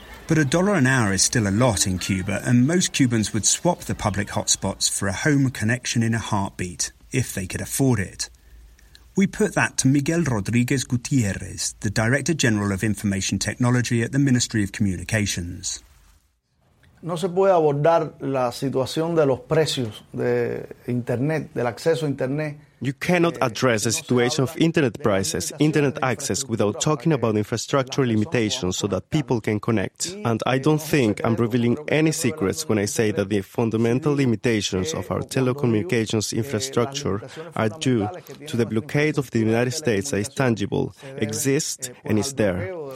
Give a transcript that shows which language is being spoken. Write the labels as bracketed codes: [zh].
[en] But a dollar an hour is still a lot in Cuba, and most Cubans would swap the public hotspots for a home connection in a heartbeat, if they could afford it. We put that to Miguel Rodriguez Gutierrez, the Director General of Information Technology at the Ministry of Communications. [es] No se puede abordar la situación de los precios de Internet, del acceso a Internet, [en] You cannot address the situation of internet prices, internet access, without talking about infrastructure limitations so that people can connect. And I don't think I'm revealing any secrets when I say that the fundamental limitations of our telecommunications infrastructure are due to the blockade of the United States that is tangible, exists, and is there.